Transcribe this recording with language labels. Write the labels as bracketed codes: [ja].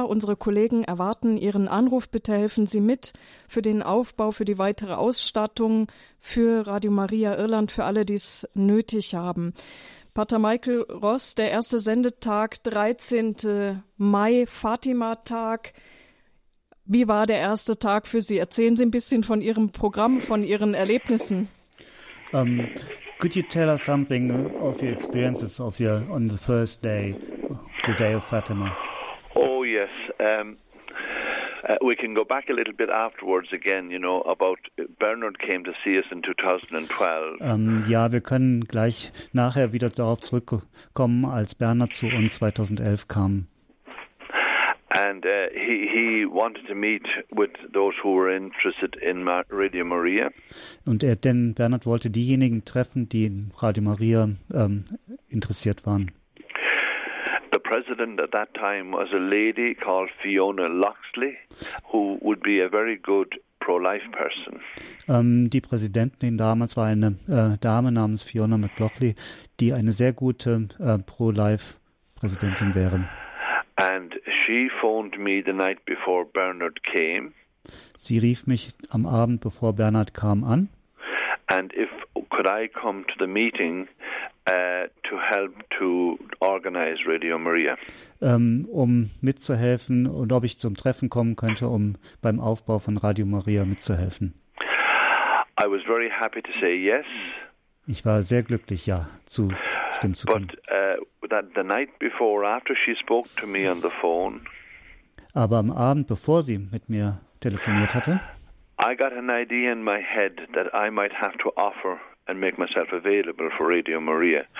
[de] Unsere Kollegen erwarten Ihren Anruf. Bitte helfen Sie mit für den Aufbau, für die weitere Ausstattung für Radio Maria Irland, für alle, die es nötig haben. Pater Michael Ross, der erste Sendetag, 13. Mai, Fatima-Tag. Wie war der erste Tag für Sie? Erzählen Sie ein bisschen von Ihrem Programm, von Ihren Erlebnissen. [en] Could you tell us something of your experiences on the first day, the day of Fatima? Oh yes, we can go back a little bit afterwards again. You know about Bernard came to see us in 2012. [de] Ja, wir können gleich nachher wieder darauf zurückkommen, als Bernard zu uns 2011 kam. [en] And he wanted to meet with those who were interested in Radio Maria. [de] Und denn Bernhard wollte diejenigen treffen, die in Radio Maria interessiert waren. [en] The president at that time was a lady called Fiona Loxley, who would be a very good pro-life person. [de] Die Präsidentin damals war eine Dame namens Fiona McLaughlin, die eine sehr gute pro-life Präsidentin wäre. [en] And she phoned me the night before Bernard came. [de] Sie rief mich am Abend, bevor Bernard kam, an. [en] And if could I come to the meeting to help to organize Radio Maria? [de] Um mitzuhelfen und ob ich zum Treffen kommen könnte, um beim Aufbau von Radio Maria mitzuhelfen. [en] I was very happy to say yes. [de] Ich war sehr glücklich, ja, zu stimmen zu können. [en] But that the night before, after she spoke to me on the phone. [de] Aber am Abend, bevor sie mit mir telefoniert hatte. [en] I got an idea in my head that I might have to offer and make myself available for Radio Maria.